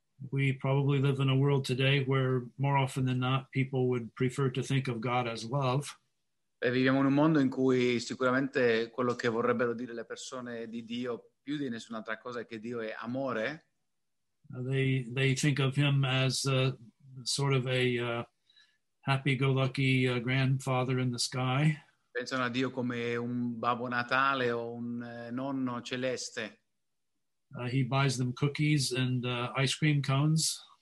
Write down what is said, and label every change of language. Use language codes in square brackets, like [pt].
[en] We probably live in a world today where more often than not people would prefer to think of God as love. [it] E viviamo in un mondo in cui sicuramente quello che vorrebbero dire le persone di Dio più di nessun'altra cosa è che Dio è amore. [en] They think of him as sort of a happy-go-lucky grandfather in the sky. [it] Pensano a Dio come un babbo Natale o un nonno celeste. [en] He buys them cookies and ice cream cones.